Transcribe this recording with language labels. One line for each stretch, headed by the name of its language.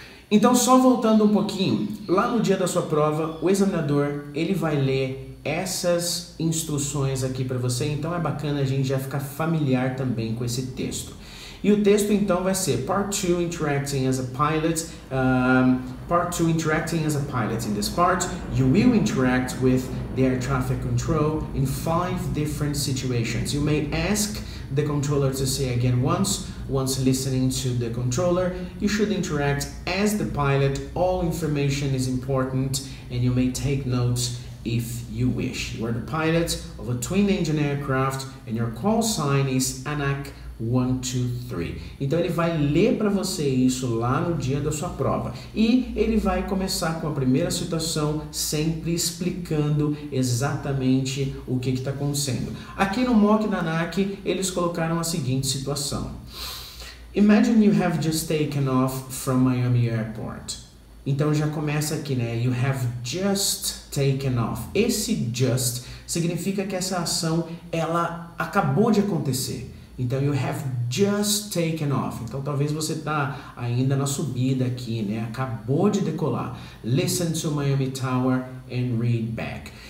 Portuguese: Então, só voltando um pouquinho. Lá no dia da sua prova, o examinador, ele vai ler essas instruções aqui para você, então é bacana a gente já ficar familiar também com esse texto. E o texto então vai ser
English: Part 2 Interacting as a Pilot. Part 2 Interacting as a Pilot. In this part, you will interact with the air traffic control in 5 different situations. You may ask the controller to say again once listening to the controller. You should interact as the pilot. All information is important and you may take notes if you wish. You are the pilot of a twin engine aircraft and your call sign is ANAC 123.
Portuguese: Então ele vai ler para você isso lá no dia da sua prova e ele vai começar com a primeira situação sempre explicando exatamente o que está acontecendo. Aqui no mock da ANAC eles colocaram a seguinte situação.
English: Imagine you have just taken off from Miami Airport.
Portuguese: Então já começa aqui, né?
English: You have just taken off.
Portuguese: Esse just significa que essa ação, ela acabou de acontecer. Então,
English: you have just taken off.
Portuguese: Então, talvez você tá ainda na subida aqui, né? Acabou de decolar.
English: Listen to Miami Tower and read back.